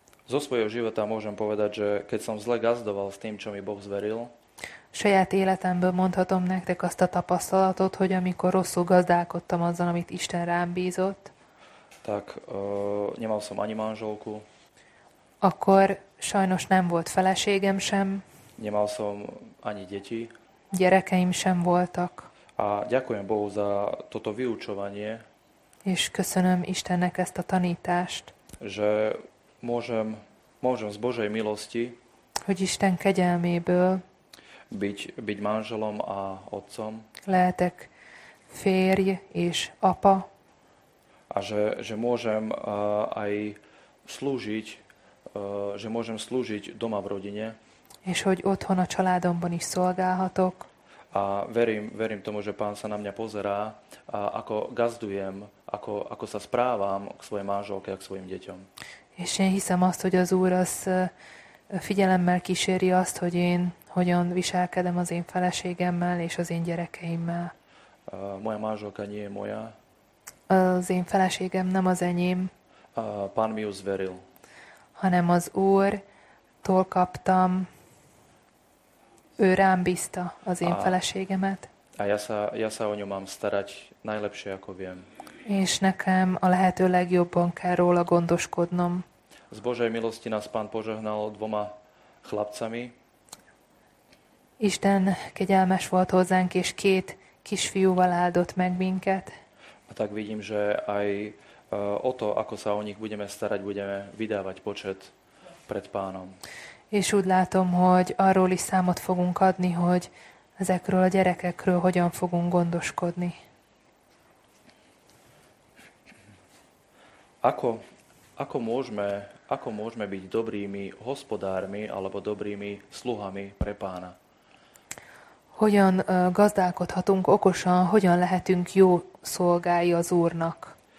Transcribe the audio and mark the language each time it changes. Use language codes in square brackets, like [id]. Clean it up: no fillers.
[sk] Zo svojho života môžem povedať, že keď som zle gazdoval s tým, čo mi Boh zveril, [hu] saját életemből mondhatom nektek azt a tapasztalatot, hogy amikor rosszul gazdálkodtam azzal, amit Isten rám bízott, [sk] tak nemal som ani manželku, [hu] akkor sajnos nem volt feleségem sem, [sk] nemal som ani deti, [hu] gyerekeim sem voltak, [sk] a ďakujem Bohu za toto vyučovanie, [hu] és köszönöm Istennek ezt a tanítást, [sk] že môžem z Božej milosti, [hu] hogy Isten kegyelméből [sk] byť manželom a otcom, [hu] lehetek férj és apa, [sk] a že môžem aj slúžiť, že môžem slúžiť doma v rodine, [hu] és hogy otthon a családomban is szolgálhatok, [sk] a verím tomu, že pán sa na mňa pozerá, a ako gazdujem, ako sa správam k svojej manželke a k svojim deťom. [hu] És én hiszem azt, hogy az Úr az figyelemmel kíséri azt, hogy én hogyan viselkedem az én feleségemmel és az én gyerekeimmel. [sk] Moja manželka nie je moja. [hu] Az én feleségem nem az enyém. [sk] Pán mi ju zveril. [hu] Hanem az Úrtól kaptam. Ő rám bízta az én feleségemet. [sk] A ja sa o ňu mám starať najlepšie, ako viem. [hu] És nekem a lehető legjobban kell róla gondoskodnom. [sk] Z Božej milosti nás pán požehnal dvoma chlapcami. [hu] Isten kegyelmes volt hozzánk, és két kisfiúval áldott meg minket. [sk] A tak vidím, že aj o to, ako sa o nich budeme starať, budeme vydávať počet pred pánom. [hu] És úgy látom, hogy arról is számot fogunk adni, hogy ezekről a gyerekekről hogyan fogunk gondoskodni. [sk] Ako môžeme byť dobrými hospodármi alebo dobrými sluhami pre Pána? [hu] Hogyan gazdálkodhatunk okosan, hogyan lehetünk jó szolgái az Úrnak?